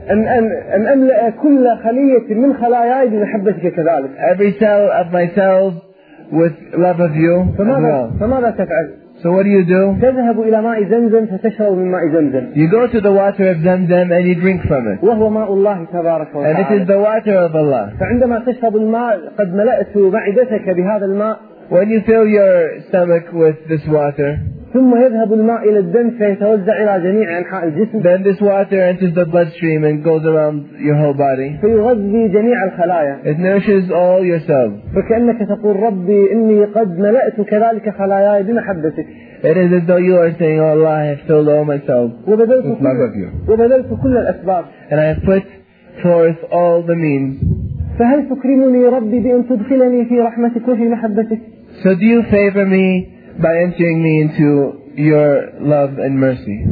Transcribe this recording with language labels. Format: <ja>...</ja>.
<ar>أن أملأ كل خلية من خلاياي بمحبتك كذلك.</ar> <en>Every cell of myself. With love of you.</en> <ar>فماذا تفعل؟</ar> <en>So what do you do?</en> <ar>تذهب إلى ماء زمزم فتشرب من ماء زمزم.</ar> <en>You go to the water of Zamzam and you drink from it.</en> <ar>وهو ماء الله تبارك وتعالى.</ar> <en>And it is the water of Allah.</en> <ar>فعندما تشرب الماء قد ملأت معدتك بهذا الماء.</ar> <en>When you fill your stomach with this water.</en> <ar>ثم يذهب الماء إلى الدم فيتوزع إلى جميع أنحاء الجسم.</ar> <en>Then this water enters the bloodstream and goes around your whole body.</en> <ar>فيغذي جميع الخلايا.</ar> <en>It nourishes all your cells.</en> <ar>فكأنك تقول ربي إني قد ملأت كذلك خلاياي بمحبتك.</ar> <en>It is as though you are saying, oh Allah, I have filled all my cells with love of you.</en> <ar>وبذلت كل الأسباب.</ar> <en>And I have put forth all the means.</en> <ar>فهل تكرمني ربي بأن تدخلني في رحمتك وفي محبتك؟</ar> <en>So do you favor me by entering me into your love and mercy?</en>